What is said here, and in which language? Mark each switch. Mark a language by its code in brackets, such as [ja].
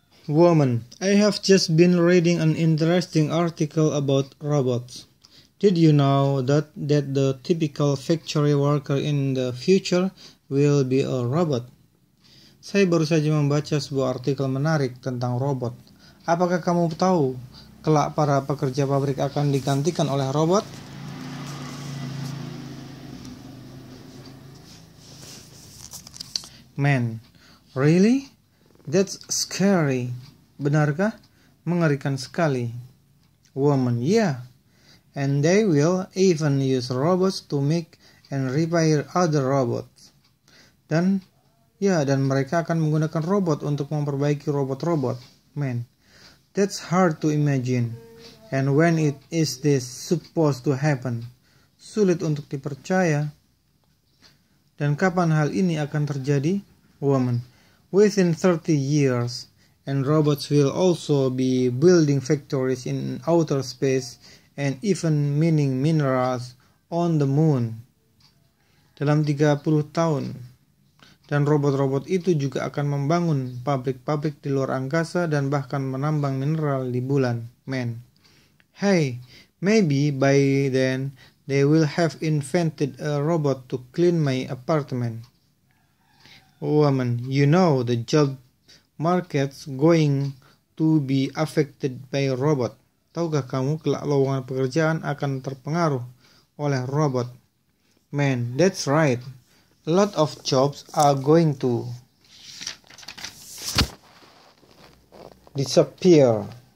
[en] Woman, I have just been reading an interesting article about robots. Did you know that the typical factory worker in the future will be a robot? [id] Saya baru saja membaca sebuah artikel menarik tentang robot. Apakah kamu tahu kelak para pekerja pabrik akan digantikan oleh robot? [en] Man, really? That's scary. [id] Benarkah? Mengerikan sekali. [en] Woman, yeah. And they will even use robots to make and repair other robots. [id] Dan mereka akan menggunakan robot untuk memperbaiki robot-robot. [en] Man, that's hard to imagine. And when it is this supposed to happen? [id] Sulit untuk dipercaya. Dan kapan hal ini akan terjadi? [en] Woman, within 30 years, and robots will also be building factories in outer space and even mining minerals on the moon. [id] Dalam 30 tahun. Dan robot-robot itu juga akan membangun pabrik-pabrik di luar angkasa dan bahkan menambang mineral di bulan. [en] Man. Hey, maybe by then they will have invented a robot to clean my apartment. Woman, you know the job market's going to be affected by robot. [id] Tahukah kamu kelak lowongan pekerjaan akan terpengaruh oleh robot? [en] Man, that's right. A lot of jobs are going to disappear.